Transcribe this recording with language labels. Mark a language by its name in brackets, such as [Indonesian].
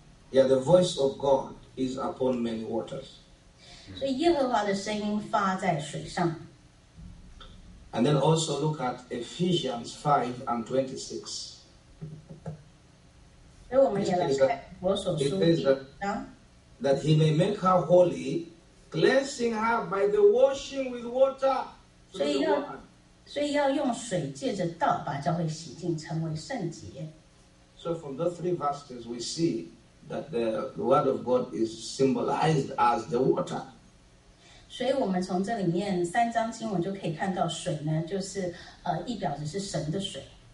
[English] Yeah, the voice of God is upon many waters. [Chinese] 所以耶和华的声音发在水上。 [English] And then also look at Ephesians 5 and 26. It says that he may make her holy, cleansing her by the washing with water. [Chinese] 所以要用水借着道把教会洗净成为圣洁。 [English] So from those three verses we see that the Word of God is symbolized as the water. [Chinese] 所以我们从这里面三章经文就可以看到水呢,就是一表的是神的水。